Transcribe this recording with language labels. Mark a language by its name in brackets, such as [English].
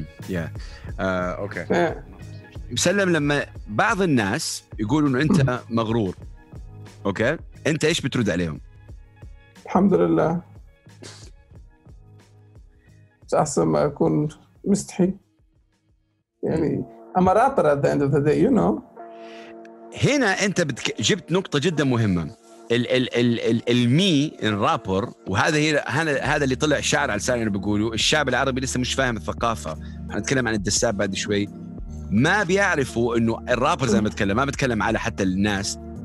[English] Yeah. Okay. [Arabic] مسلم لما بعض الناس يقولوا إنه أنت مغرور, أوكي okay. أنت إيش بترد عليهم؟ الحمد لله. بس أحسن ما أكون مستحي يعني. [English] I'm a rapper at the end of the day, you know. [Arabic] هنا أنت جبت نقطة جدا مهمة. ال ال ال ال المي الرابر, وهذا هي هذا اللي طلع شاعر على لساني بيقوله. الشعب العربي لسه مش فاهم الثقافة. هنتكلم عن الدساب بعد شوي. ما بيعرفوا إنه الرابر زي ما بتكلم, ما بتكلم على حتى الناس.